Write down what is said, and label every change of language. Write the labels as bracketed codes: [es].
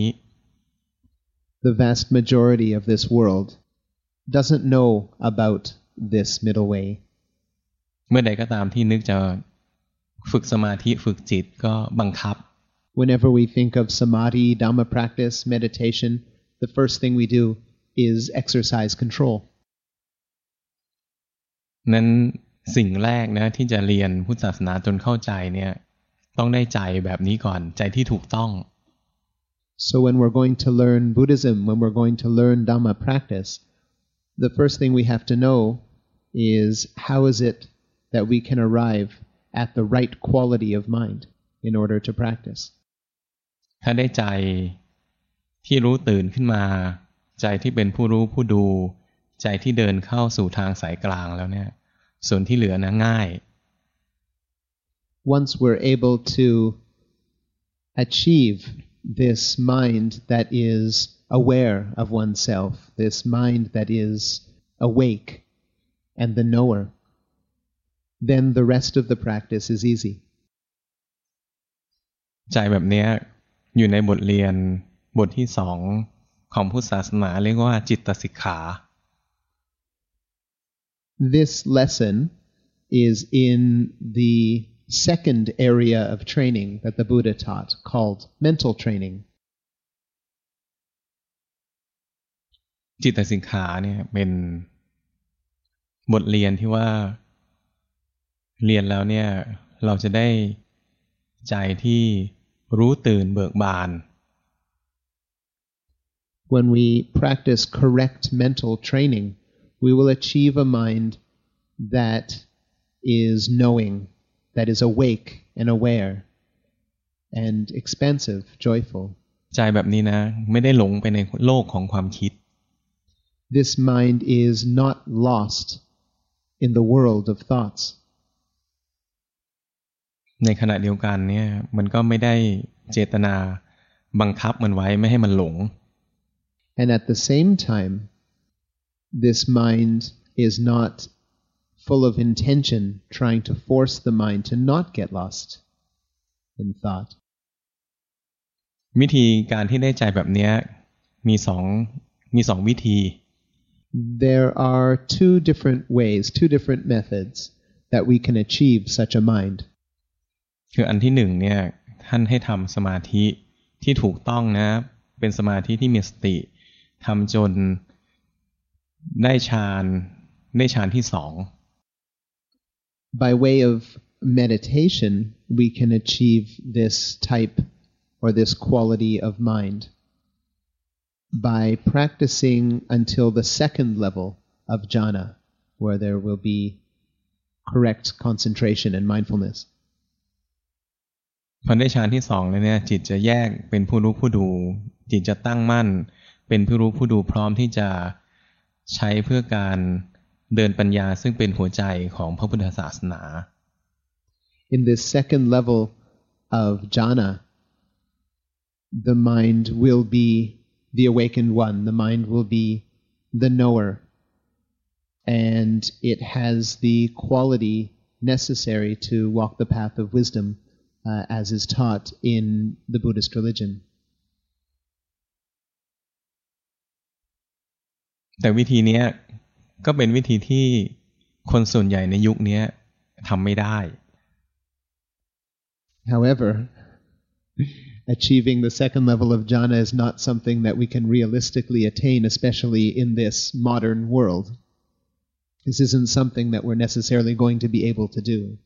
[en] The vast majority of this worldDoesn't know about this middle way. [th] เมื่อใดก็ตามที่นึกจะฝึกสมาธิฝึกจิตก็บังคับ [en] Whenever we think of samadhi, dhamma practice, meditation, the first thing we do is exercise control. [th] นั้นสิ่งแรกนะที่จะเรียนพุทธศาสนาจนเข้าใจเนี่ยต้องได้ใจแบบนี้ก่อนใจที่ถูกต้อง [en] So when we're going to learn Buddhism, when we're going to learn dhamma practice,The first thing we have to know is how is it that we can arrive at the right quality of mind in order to practice. [th] ถ้าได้ใจที่รู้ตื่นขึ้นมาใจที่เป็นผู้รู้ผู้ดูใจที่เดินเข้าสู่ทางสายกลางแล้วเนี่ยส่วนที่เหลือนะง่าย [en] Once we're able to achieve this mind that isAware of oneself, this mind that is awake and the knower, then the rest of the practice is easy. [th] ใจแบบนี้อยู่ในบทเรียนบทที่สองของพุทธศาสนาเรียกว่าจิตตสิกขา [en] This lesson is in the second area of training that the Buddha taught called mental training. [th] จิตตสิกขาเนี่ยเป็นบทเรียนที่ว่าเรียนแล้วเนี่ยเราจะได้ใจที่รู้ตื่นเบิกบาน [en] When we practice correct mental training, we will achieve a mind that is knowing, that is awake and aware, and expansive, joyful. [th] ใจแบบนี้นะไม่ได้หลงไปในโลกของความคิด [en] This mind is not lost in the world of thoughts. [th] ในขณะเดียวกันเนี่ยมันก็ไม่ได้เจตนาบังคับมันไว้ไม่ให้มันหลง [en] And at the same time, this mind is not full of intention trying to force the mind to not get lost in thought. [th] วิธีการที่ได้ใจแบบนี้มีสองวิธี [en] There are two different ways, two different methods that we can achieve such a mind. [th] คืออันที่หนึ่งเนี่ยท่านให้ทำสมาธิที่ถูกต้องนะเป็นสมาธิที่มีสติทำจนได้ฌานได้ฌานที่สอง [en] By way of meditation, we can achieve this type or this quality of mind. By practicing until the second level of jhana, where there will be correct concentration and mindfulness. [th] พอได้ฌานที่สองแล้วเนี่ยจิตจะแยกเป็นผู้รู้ผู้ดูจิตจะตั้งมั่นเป็นผู้รู้ผู้ดูพร้อมที่จะใช้เพื่อการเดินปัญญาซึ่งเป็นหัวใจของพระพุทธศาสนา [en] In this second level of jhana, the mind will beThe awakened one, the mind will be the knower, and it has the quality necessary to walk the path of wisdom, as is taught in the Buddhist religion. [th] แต่วิธีนี้ก็เป็นวิธีที่คนส่วนใหญ่ในยุคนี้ทำไม่ได้ [en] However, Achieving the second level of jhana is not something that we can realistically attain, especially in this modern world. This isn't something that we're necessarily going to be able to do.